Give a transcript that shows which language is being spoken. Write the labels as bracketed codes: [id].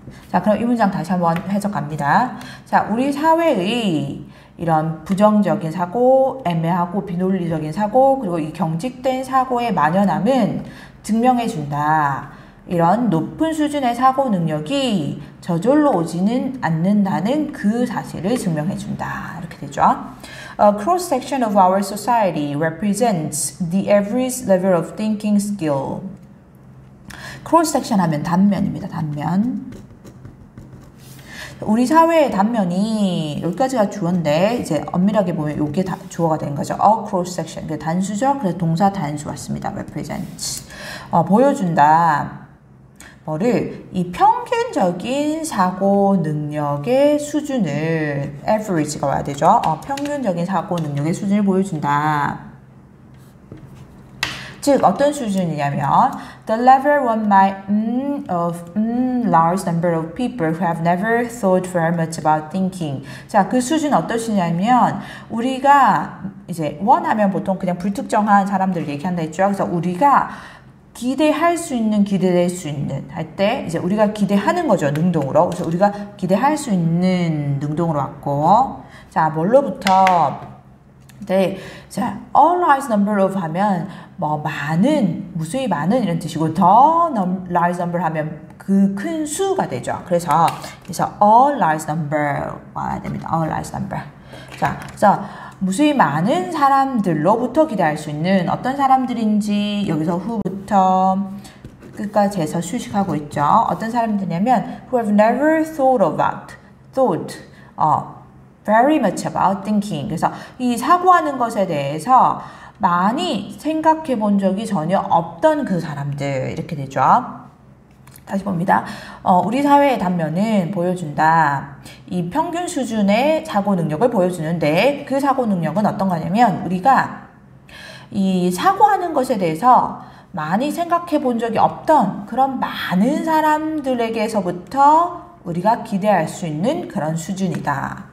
[ko] 자 그럼 이 문장 다시 한번 해석합니다. 자 우리 사회의 이런 부정적인 사고 애매하고 비논리적인 사고 그리고 이 경직된 사고의 만연함은 증명해 준다. 이런 높은 수준의 사고 능력이 저절로 오지는 않는다는 그 사실을 증명해 준다. 이렇게 되죠. [en] A cross section of our society represents the average level of thinking skill. [ko] Cross section 하면 단면입니다. 단면. 우리 사회의 단면이 여기까지가 주어인데 이제 엄밀하게 보면 이게 다 주어가 된 거죠. A cross section. 그 단수죠. 그래서 동사 단수 왔습니다. represents. 보여준다. 뭐를 이 평균적인 사고 능력의 수준을 average가 와야 되죠. 평균적인 사고 능력의 수준을 보여준다. 즉 어떤 수준이냐면 [en] the level one might of large number of people who have never thought very much about thinking. [ko] 자, 그 수준 어떠시냐면 우리가 이제 one 하면 보통 그냥 불특정한 사람들 얘기한다 했죠. 그래서 우리가 기대할 수 있는, 기대될 수 있는 할 때 이제 우리가 기대하는 거죠. 능동으로. 그래서 우리가 기대할 수 있는 능동으로 왔고 자, 뭘로부터 네, 자, a large number of 하면 뭐 많은, 무수히 많은 이런 뜻이고 the large number 하면 그 큰 수가 되죠. 그래서 a large number 와야 됩니다. a large number. 자, 그래서 무수히 많은 사람들로부터 기대할 수 있는 어떤 사람들인지 여기서 후부터 끝까지 해서 수식하고 있죠. 어떤 사람들이냐면 [en] who have never thought about, thought very much about thinking. [ko] 그래서 이 사고하는 것에 대해서 많이 생각해 본 적이 전혀 없던 그 사람들 이렇게 되죠. 다시 봅니다. 우리 사회의 단면은 보여준다. 이 평균 수준의 사고 능력을 보여주는데 그 사고 능력은 어떤 거냐면 우리가 이 사고하는 것에 대해서 많이 생각해 본 적이 없던 그런 많은 사람들에게서부터 우리가 기대할 수 있는 그런 수준이다.